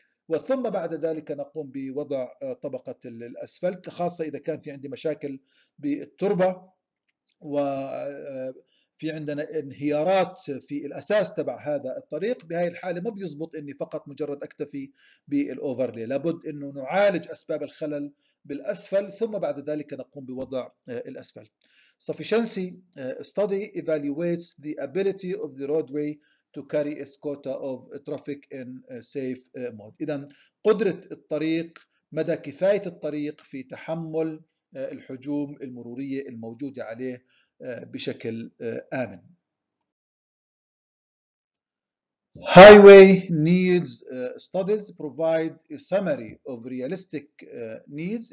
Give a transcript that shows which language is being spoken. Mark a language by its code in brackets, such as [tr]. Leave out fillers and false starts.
[ar] وثم بعد ذلك نقوم بوضع طبقة الأسفلت، خاصة إذا كان في عندي مشاكل بالتربة وفي عندنا انهيارات في الأساس تبع هذا الطريق. بهذه الحالة ما بيزبط أني فقط مجرد أكتفي بالأوفرلي، لابد أنه نعالج أسباب الخلل بالأسفل ثم بعد ذلك نقوم بوضع الأسفلت. [en] Sufficiency study evaluates the ability of the roadway to carry its quota of traffic in safe mode. [ar] إذن قدرة الطريق، مدى كفاية الطريق في تحمل الحجوم المرورية الموجودة عليه بشكل آمن. [en] Highway needs studies provide a summary of realistic needs.